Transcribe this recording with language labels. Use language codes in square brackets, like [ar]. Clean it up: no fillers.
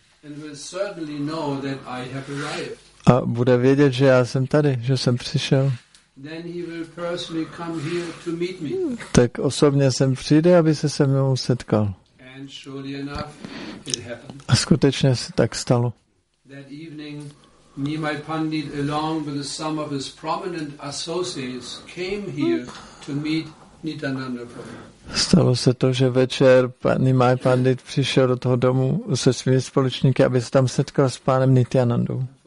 [en] and will certainly know that I have arrived. [cs] A bude vědět, že já jsem tady, že jsem přišel. [en] Then he will personally come here to meet me. [cs] Tak osobně sem přijde, aby se se mnou setkal. [en] And surely enough, it happened. [cs] A skutečně se tak stalo. [en] That evening, Nimai Pandit, along with some of his prominent associates, came here to meet Nityananda Prabhu. [cs] Stalo se to, že večer Nimai Pandit přišel do toho domu se svými společníky, aby se tam setkal s pánem Nityanandou.